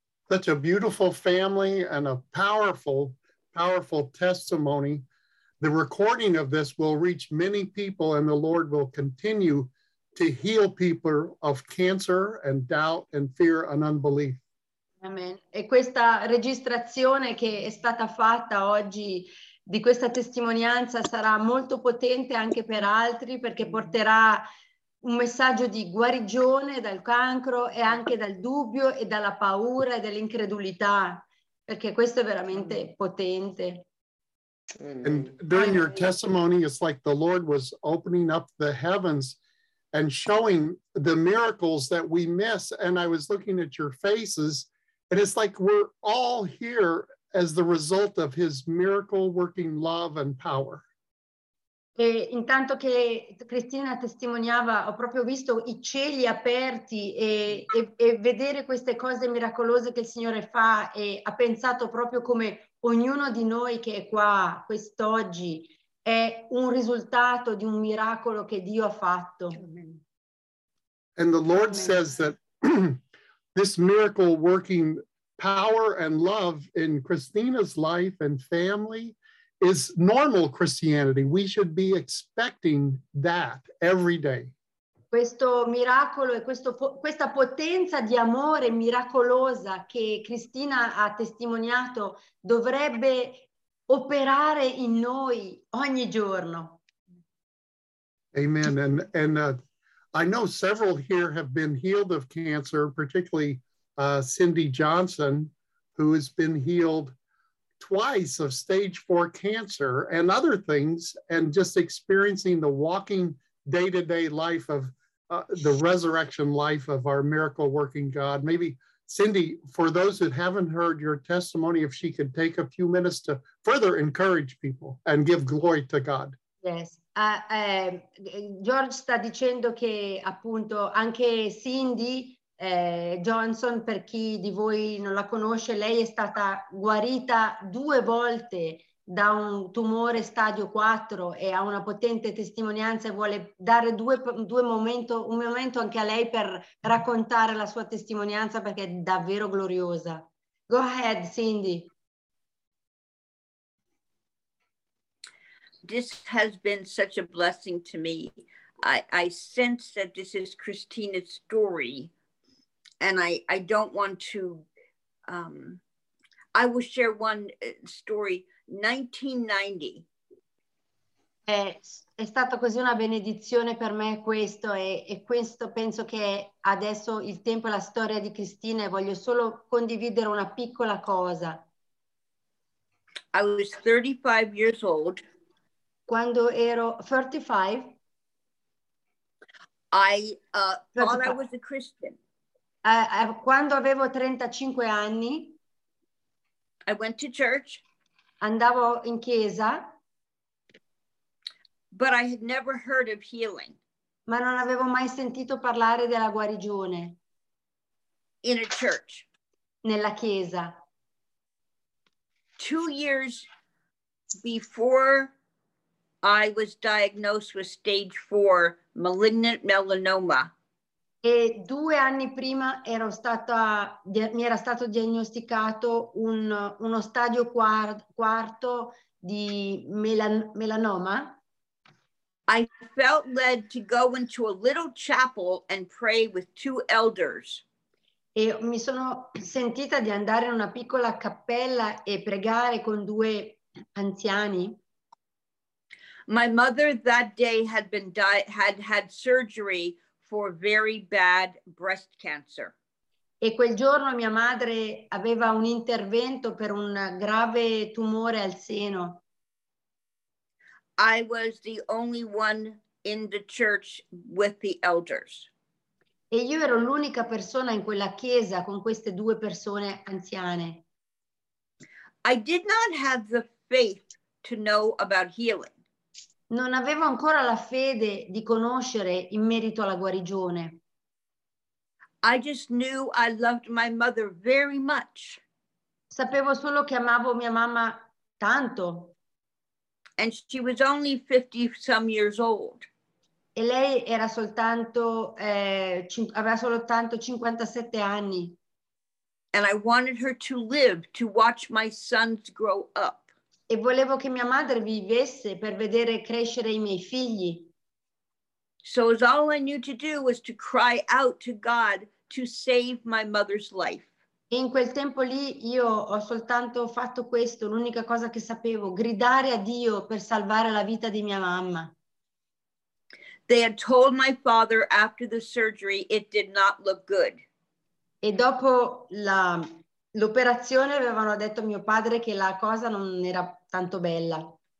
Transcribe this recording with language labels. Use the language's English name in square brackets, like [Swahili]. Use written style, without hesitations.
[English] Such a beautiful family and a powerful testimony. The recording of this will reach many people and the Lord will continue to heal people of cancer and doubt and fear and unbelief. Amen. [Italian] E questa registrazione che è stata fatta oggi di questa testimonianza sarà molto potente anche per altri perché porterà un messaggio di guarigione dal cancro e anche dal dubbio e dalla paura e dell'incredulità. Perché questo è veramente potente. [English] And during your testimony, it's like the Lord was opening up the heavens and showing the miracles that we miss. And I was looking at your faces, and it's like we're all here as the result of his miracle working love and power. [Italian] E intanto che Cristina testimoniava, ho proprio visto i cieli aperti e vedere queste cose miracolose che il Signore fa, e ha pensato proprio come ognuno di noi che è qua quest'oggi è un risultato di un miracolo che Dio ha fatto. [English] And the Lord Amen. Says that this miracle working power and love in Christina's life and family is normal Christianity. We should be expecting that every day. [Italian] Questo miracolo e questa potenza di amore miracolosa che Cristina ha testimoniato dovrebbe operare in noi ogni giorno. [English] Amen. And I know several here have been healed of cancer, particularly Cindy Johnson, who has been healed twice of stage 4 cancer and other things, and just experiencing the walking day-to-day life of the resurrection life of our miracle working God. Maybe Cindy, for those that haven't heard your testimony, if she could take a few minutes to further encourage people and give glory to God. Yes. [Italian] George sta dicendo che appunto anche Cindy Johnson, per chi di voi non la conosce, lei è stata guarita due volte da un tumore stadio 4 e ha una potente testimonianza, e vuole dare un momento anche a lei per raccontare la sua testimonianza, perché è davvero gloriosa. [English] Go ahead, Cindy. This has been such a blessing to me. I sense that this is Christina's story. And I don't want to, I will share one story, 1990. [Italian] È stata così una benedizione per me questo, e questo penso che adesso il tempo è la storia di Cristina, e voglio solo condividere una piccola cosa. [English] I was 35 years old. [Italian] Quando ero 35? [English] I thought I was a Christian. [Italian] Quando avevo 35 anni, [English] I went to church, [Italian] andavo in chiesa, [English] but I had never heard of healing. [Italian] Ma non avevo mai sentito parlare della guarigione. [English] In a church. [Italian] Nella chiesa. [English] 2 years before I was diagnosed with stage 4 malignant melanoma. [Italian] E 2 anni prima mi era stato diagnosticato uno stadio quarto di melanoma. [English] I felt led to go into a little chapel and pray with 2 elders. [Italian] E mi sono sentita di andare in una piccola cappella e pregare con 2 anziani. [English] My mother that day had surgery for very bad breast cancer. [Italian] E quel giorno mia madre aveva un intervento per un grave tumore al seno. [English] I was the only one in the church with the elders. [Italian] E io ero l'unica persona in quella chiesa con queste 2 persone anziane. [English] I did not have the faith to know about healing. [Italian] Non avevo ancora la fede di conoscere in merito alla guarigione. [English] I just knew I loved my mother very much. [Italian] Sapevo solo che amavo mia mamma tanto. [English] And she was only 50 some years old. [Italian] E lei era soltanto aveva soltanto 57 anni. [English] And I wanted her to live to watch my sons grow up. [Italian] E volevo che mia madre vivesse per vedere crescere i miei figli. [English] So all I knew to do was to cry out to God to save my mother's life. [Italian] E in quel tempo lì io ho soltanto fatto questo, l'unica cosa che sapevo, gridare a Dio per salvare la vita di mia mamma. [English] They had told my father after the surgery it did not look good. [Italian] E dopo l'operazione avevano detto a mio padre che la cosa non era tanto bella.